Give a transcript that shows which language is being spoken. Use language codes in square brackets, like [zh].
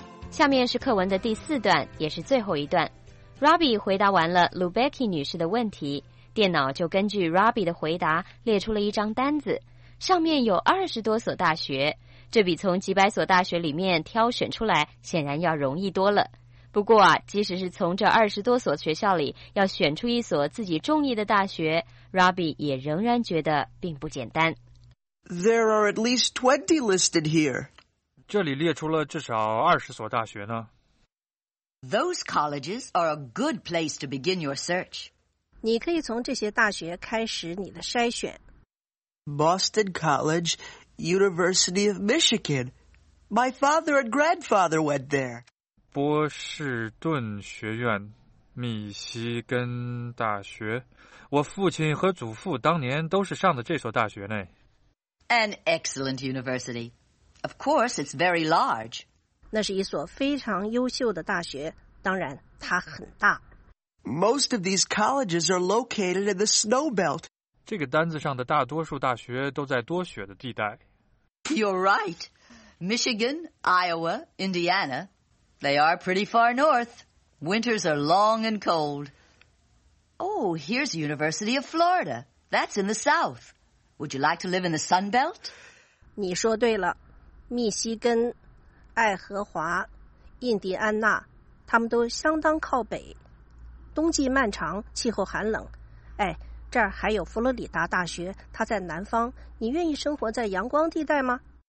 [zh] 下面是课文的第四段，也是最后一段。Robbie 回答完了 Lubecki 女士的问题，电脑就根据 Robbie 的回答列出了一张单子，上面有20多所大学，这比从几百所大学里面挑选出来显然要容易多了。不过啊，即使是从这20多所学校里要选出一所自己中意的大学， Robbie 也仍然觉得并不简单。 [en] There are at least 20 listed here. [zh] 这里列出了至少20所大学呢。 [en] Those colleges are a good place to begin your search. [zh] 你可以从这些大学开始你的筛选。 [en] Boston College, University of Michigan. My father and grandfather went there. [zh] 波士顿学院，密西根大学。我父亲和祖父当年都是上的这所大学呢。 [en] An excellent university. Of course, it's very large. [zh] 那是一所非常优秀的大学，当然它很大。 [en] Most of these colleges are located in the snow belt. [zh] 这个单子上的大多数大学都在多雪的地带。 [en] You're right. Michigan, Iowa, Indiana, they are pretty far north. Winters are long and cold. Oh, here's the University of Florida. That's in the south. Would you like to live in the sun belt? [zh] 你说对了。密西根、爱荷华、印第安纳，他们都相当靠北，冬季漫长，气候寒冷。哎，这儿还有佛罗里达大学，它在南方，你愿意生活在阳光地带吗？